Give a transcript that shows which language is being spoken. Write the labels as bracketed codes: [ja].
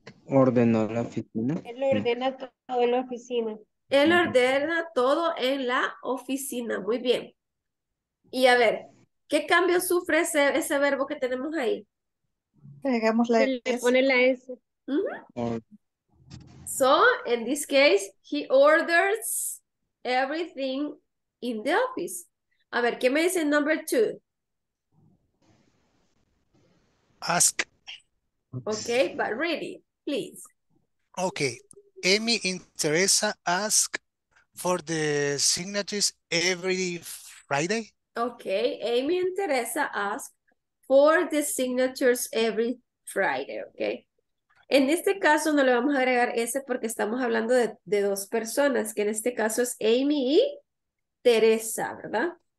[es] Ordenó la oficina. Él ordena todo en la oficina. Él ordena todo en la oficina. Muy bien. Y a ver, ¿qué cambio sufre ese verbo que tenemos ahí? Agregamos la S. Le pone la S. [en] So, in this case, he orders everything in the office. [es] A ver, ¿qué me dice el number two? [en] Ask. Okay, but ready, please. Okay. Amy Teresa ask for the signatures every Friday. Okay, Amy and Teresa ask for the signatures every Friday, okay? [es] En este caso no le vamos a agregar ese porque estamos hablando de dos personas, que en este caso es Amy y Teresa, ¿verdad?